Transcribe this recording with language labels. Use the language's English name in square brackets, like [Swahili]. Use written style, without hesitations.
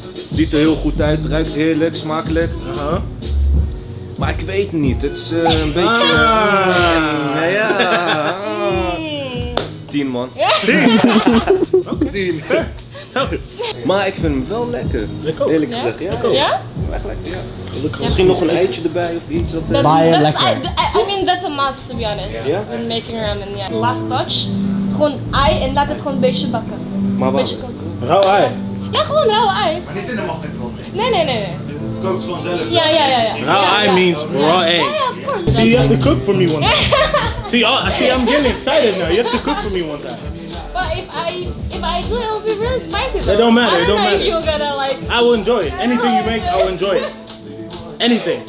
[Dutch] Ziet er heel goed uit, ruikt heerlijk, smakelijk. Maar ik weet niet, het is een beetje... Ja. 10 man. 10? Oké. 10. Maar ik vind hem wel lekker. Lekker. Eerlijk gezegd, ja. Ja? Echt lekker, ja. Misschien nog een eitje erbij of iets. [Afrikaans] Baie lekker. [English] I mean, that's a must, to be honest. [Dutch] Ja? [English] When making ramen, yeah. Last touch. [Dutch] Gewoon ei en laat het gewoon een beetje bakken. Maar wat? Rauw ei. Ja, gewoon rauwe ei. Maar niet in de magnetron. Nee. Het kookt vanzelf. Ja. Rauwe ei [English] means raw egg. Ja, of course. See, you have to cook for me one time. See, I'm getting excited now. You have to cook for me one time. But if I do, it'll be really spicy though. It don't matter, it don't matter. I don't know if you're gonna like... I will enjoy it. Anything you make, I will enjoy it. Anything.